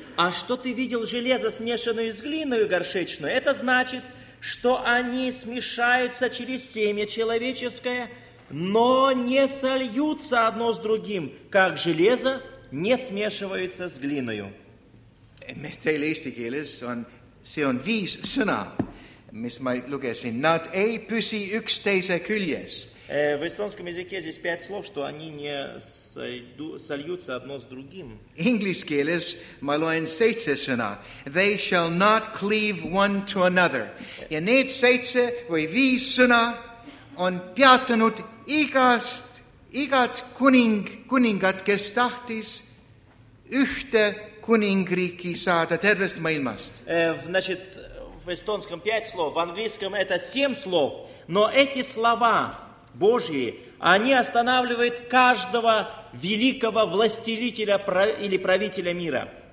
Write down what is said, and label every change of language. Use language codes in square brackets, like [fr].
[ru] А что ты видел железо, смешанное с глиной горшечной? Это значит, что они смешаются через семя человеческое, но не сольются одно с другим, как железо не смешивается с глиною. [et] Teile eesti keeles on, see on viis sõna. Mis ma lugesin, nad ei püsi üks teise küljes. [ru] В эстонском языке здесь пять слов, что они не сольются одно с другим. [en] English [et] keeles ma loen seitse sõna. [en] They shall not cleave one to another. [et] Ja need seitse või viis sõna on peatanud igat kuningat, kes tahtis ühte kuningriiki saada tervest maailmast. [ru] В эстонском 5 слов, в английском это 7 слов, но эти слова Божьи, они останавливают каждого великого властелителя или правителя мира.